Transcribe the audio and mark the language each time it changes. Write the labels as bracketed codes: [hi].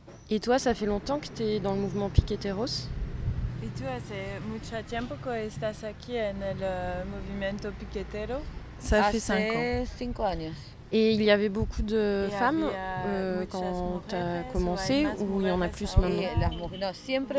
[fr] Et toi, ça fait longtemps que tu es dans le mouvement Piqueteros ? Et toi, c'est [es] mucho tiempo que estás aquí en el movimiento Piquetero ? [fr] Ça fait 5 ans. Et il y avait beaucoup de femmes quand tu as commencé, ou il y en a plus maintenant ?